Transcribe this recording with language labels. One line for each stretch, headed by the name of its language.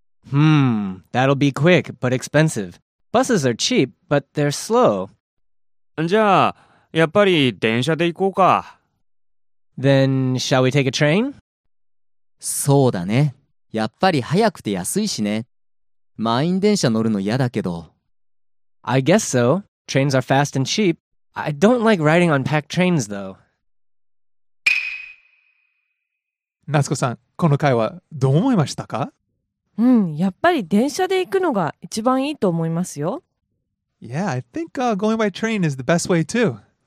English: Hmm, that'll be quick, but expensive. Buses are cheap, but they're slow.
Japanese: じゃあ、やっぱり電車で行こうか。
English: Then, shall we take a train?
Japanese: そうだね。やっぱり早くて安いしね。満員電車乗るの嫌だけど。
English: I guess so. Trains are fast and cheap. I don't like riding on packed trains, though.
Japanese: Natsuko-san, この会話どう思いましたか? うん、やっぱり電車で行くのが一番いいと思いますよ。
English: Yeah, I think、going by train is the best way too.